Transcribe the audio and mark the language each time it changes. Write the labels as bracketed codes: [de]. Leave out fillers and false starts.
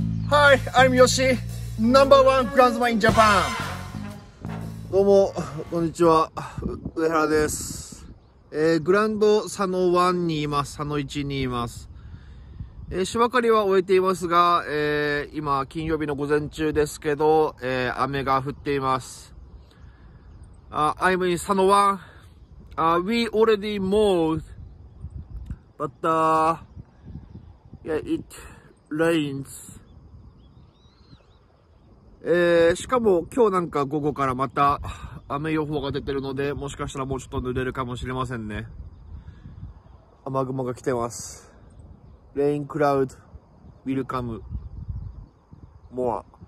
[en] Hi, I'm Yoshi, number one groundsman in Japan. [ja] どうも、こんにちは。上原です。グランド佐野1にいます。佐野1にいます。芝刈りは終えていますが、今金曜日の午前中ですけど、雨が降っています。 [en] I'm in 佐野1。 We already mowed, but, yeah, it rains. [ja] しかも今日なんか午後からまた雨予報が出てるので、もしかしたらもうちょっと濡れるかもしれませんね。雨雲が来てます。 [en] レインクラウドウィルカムモア。